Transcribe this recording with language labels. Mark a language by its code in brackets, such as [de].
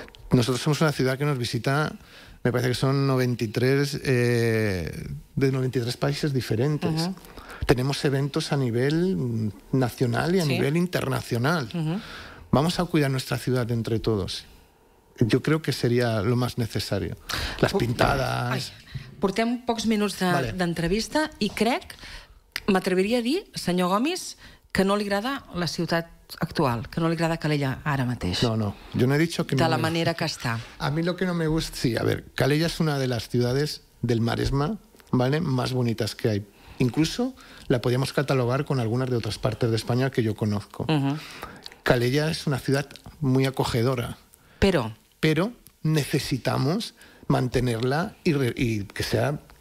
[es] Nosotros somos una ciudad que nos visita, me parece que son 93, de 93 países diferentes. Tenemos eventos a nivel nacional y a nivel internacional. Vamos a cuidar nuestra ciudad entre todos. Yo creo que sería lo más necesario. Las pintadas... [ca] Portem pocs minuts d'entrevista i crec, m'atreviria a dir, senyor Gomis, que no li agrada la ciutat actual, que no li agrada Calella ara mateix. [es] No, no, yo no he dicho que... [ca] De la manera que està. [es] A mí lo que no me gusta... Sí, a ver, Calella es una de las ciudades del Maresme, ¿vale?, más bonitas que hay. Incluso la podíamos catalogar con algunas de otras partes de España que yo conozco. Calella es una ciudad muy acogedora. Pero. Pero necesitamos mantenerla y que sea.